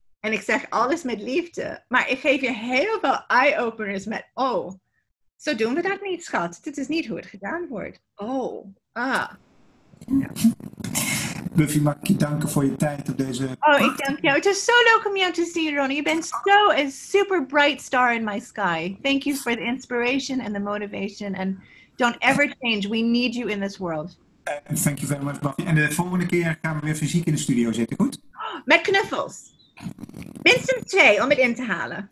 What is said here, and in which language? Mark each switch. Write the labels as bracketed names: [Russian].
[Dutch] En ik zeg alles met liefde. Maar ik geef je heel veel eye-openers met, oh, zo doen we dat niet, schat. Dit is niet hoe het gedaan wordt. Oh, ah. Ja. Buffy, mag ik je danken voor je tijd op deze... Oh, ik dank jou. Het is zo leuk om jou te zien, Ronnie. Je bent zo een [English] super bright star in my sky. Thank you for the inspiration and the motivation. And don't ever change. We need you in this world. Thank you very much, Buffy. [Dutch] En de volgende keer gaan we weer fysiek in de studio zitten, goed? Met knuffels. Minstens twee om het in te halen.